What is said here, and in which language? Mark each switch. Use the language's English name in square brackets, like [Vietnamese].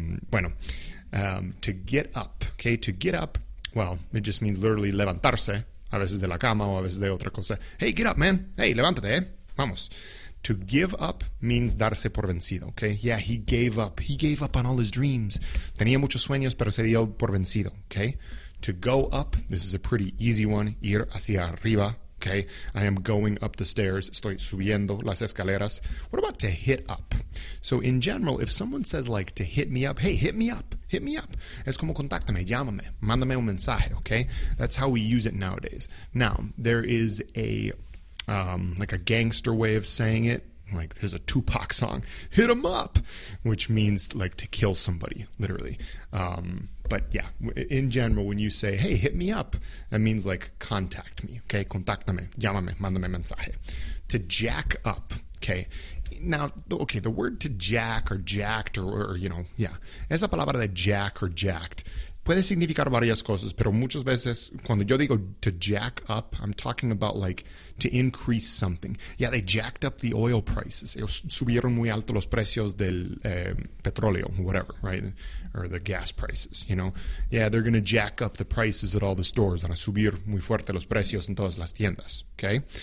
[English] To get up, okay? To get up, well, it just means literally [Spanish] levantarse, a veces de la cama o a veces de otra cosa. [English] Hey, get up, man. [Spanish] Hey, levántate, eh. Vamos. [English] To give up means [Spanish] darse por vencido, [English] okay? Yeah, he gave up. He gave up on all his dreams. [Spanish] Tenía muchos sueños, pero se dio por vencido, okay? [English] To go up, this is a pretty easy one. [Spanish] Ir hacia arriba, [English] okay? I am going up the stairs. [Spanish] Estoy subiendo las escaleras. [English] What about to hit up? So in general, if someone says like to hit me up, hey, hit me up. Hit me up. [Spanish] Es como contáctame, llámame, mándame un mensaje, okay? [English] That's how we use it nowadays. Now, there is a like a gangster way of saying it. Like there's a Tupac song, hit 'em up, which means like to kill somebody, literally. But yeah, in general, when you say, hey, hit me up, that means like contact me, okay? [Spanish] Contáctame, llámame, mándame mensaje. [English] To jack up, okay? Now, okay, the word to jack or jacked or you know, yeah. [Spanish] Esa palabra de jack or jacked puede significar varias cosas, pero muchas veces cuando yo digo to jack up, [English] I'm talking about like to increase something. Yeah, they jacked up the oil prices. [Spanish] Ellos subieron muy alto los precios del petróleo, whatever, right? [English] Or the gas prices, you know? Yeah, they're going to jack up the prices at all the stores. [Spanish] Van a subir muy fuerte los precios en todas las tiendas, okay?